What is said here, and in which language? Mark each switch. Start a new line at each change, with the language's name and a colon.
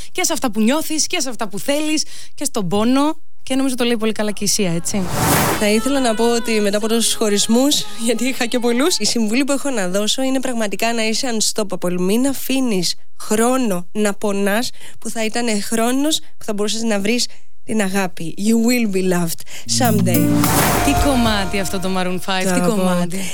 Greek: Και σε αυτά που νιώθεις και σε αυτά που θέλεις και στον πόνο. Και νομίζω το λέει πολύ καλά και η Σία, έτσι. Θα ήθελα να πω ότι μετά από τόσους χωρισμούς, γιατί είχα και πολλούς, η συμβουλή που έχω να δώσω είναι πραγματικά να είσαι unstoppable. Μην αφήνεις χρόνο να πονάς, που θα ήταν χρόνος που θα μπορούσες να βρεις την αγάπη.
English: You will be loved someday.
Greek: Τι κομμάτι αυτό το Maroon 5, τι κομμάτι.